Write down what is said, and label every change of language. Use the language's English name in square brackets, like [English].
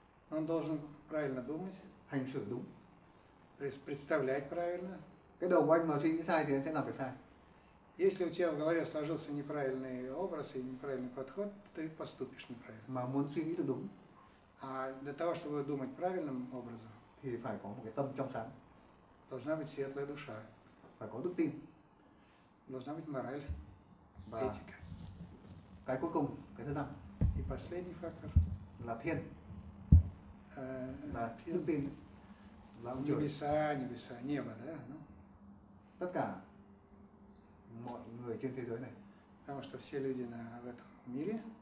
[Russian] Он должен правильно думать. [Vietnamese] Hành xử đúng. [Russian] Представлять правильно. [Vietnamese] Cái đầu của anh mà suy nghĩ sai thì anh sẽ làm việc sai. [Russian] Если у тебя в голове сложился неправильный образ и неправильный подход, ты поступишь неправильно. [Vietnamese] Mà muốn suy nghĩ được đúng. [Russian] А для того, чтобы думать правильным образом, [Vietnamese] thì phải có một cái tâm trong sáng. [Russian] Должна быть светлая душа. [Vietnamese] Phải có đức tin. [Russian] Должна быть мораль, [Vietnamese] và [Russian] этика. [Vietnamese] Cái cuối cùng, cái thứ năm. [Russian] И последний фактор. [Vietnamese] Là thiên. Là thiên. Đức tin. Là ông trời. [Russian] Небеса, небо, да? Ну. [Vietnamese] Tất cả mọi người trên thế giới này. [Russian] Потому что все люди на в этом мире.